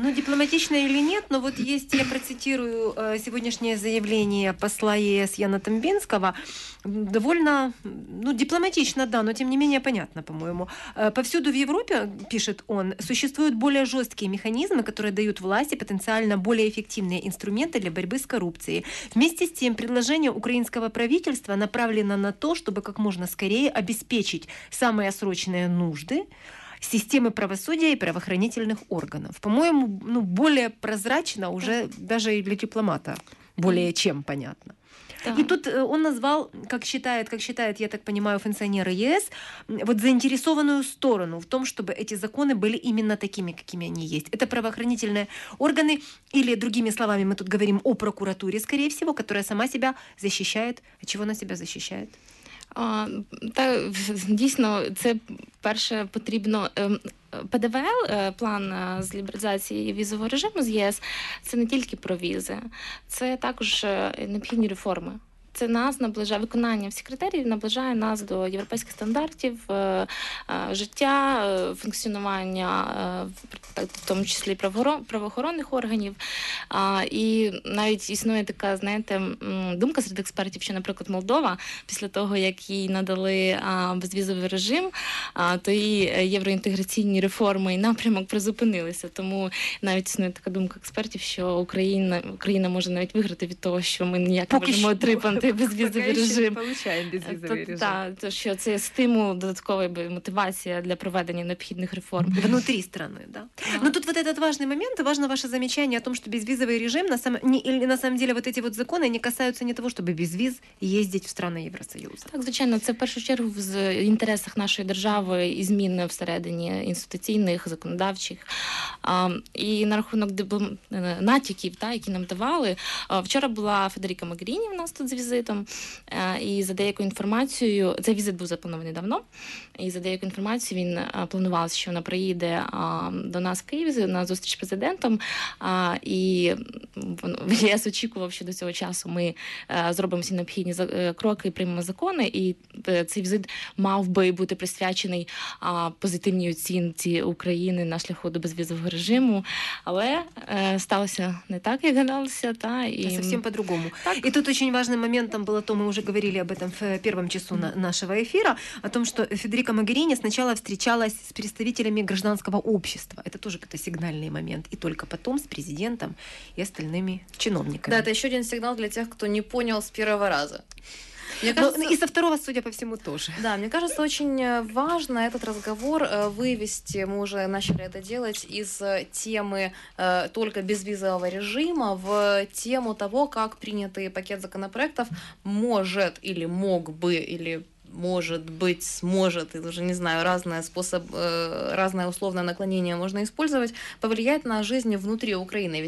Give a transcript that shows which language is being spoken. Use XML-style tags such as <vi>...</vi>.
<uk>Ну, дипломатично чи ні, але от є, я процитую сьогоднішнє заявлення посла ЄС Яна Тембінського, довольно, ну, дипломатично, да,</uk> <ru>но тем не менее понятно, по-моему. Повсюду в Европе, пишет он, существуют более жесткие механизмы, которые дают власти потенциально более эффективные инструменты для борьбы с коррупцией. Вместе с тем, предложение украинского правительства направлено на то, чтобы как можно скорее обеспечить самые срочные нужды системы правосудия и правоохранительных органов. По-моему, ну, более прозрачно уже даже и для дипломата, более чем понятно. Да. И тут он назвал, как считает, я так понимаю, функционеры ЕС, вот заинтересованную сторону в том, чтобы эти законы были именно такими, какими они есть. Это правоохранительные органы, или, другими словами, мы тут говорим о прокуратуре, скорее всего, которая сама себя защищает. А чего она себя защищает?</ru> <uk>Та, дійсно, це перше потрібно. ПДВЛ, план з лібералізації візового режиму з ЄС, це не тільки про візи, це також необхідні реформи. Це нас наближає, виконання всіх критеріїв наближає нас до європейських стандартів життя, функціонування, в тому числі правоохоронних органів. І навіть існує така, знаєте, думка серед експертів, що, наприклад, Молдова, після того, як їй надали безвізовий режим, то її євроінтеграційні реформи і напрямок призупинилися. Тому навіть існує така думка експертів, що Україна може навіть виграти від того, що ми ніяк не можемо отримати безвізовий режим. Та, що це стимул, додатковий би мотивація для проведення необхідних реформ внутрі країни, да?</uk> <ru>Ну тут вот этот важный момент, важно ваше замечание о том, что безвизовый режим, на самом деле вот эти вот законы, они касаются не того, чтобы без виз ездить в страны Евросоюза.</ru> <uk>Так, звичайно, це в першу чергу в інтересах нашої держави і змін всередині інституційних, законодавчих. І на рахунок натяків, які нам давали, вчора була Федеріка Могеріні в нас тут з візитом, і за деякою інформацією, цей візит був запланований давно, і за деякою інформацією він планувався, що вона приїде до нас в Київ на зустріч з президентом, і ЄС очікував, що до цього часу ми зробимо всі необхідні кроки, приймемо закони, і цей візит мав би бути присвячений позитивній оцінці України на шляху до безвізового режиму, але сталося не так, як гадалося. Та, і... Совсім по-другому. Так. І тут дуже важливим моментом було то, ми вже говорили</uk> <ru>об этом</ru> <uk>в першому часу нашого ефіру,</uk> <ru>о том,</ru> <uk>що Федерика Могеріні спочатку зустрічалась з представителями громадянського общества. Це теж якийсь сигнальний момент. І тільки потім з президентом і остальними чиновниками. Так, да, це ще один сигнал для тих, хто не зрозумів з першого разу.</uk> <ru>И со второго, судя по всему, тоже. Да, мне кажется, очень важно этот разговор вывести, мы уже начали это делать, из темы только безвизового режима в тему того, как принятый пакет законопроектов может или мог бы, или может быть, сможет, я уже не знаю, разные способы, разное условное наклонение можно использовать, повлиять на жизнь внутри Украины.</ru>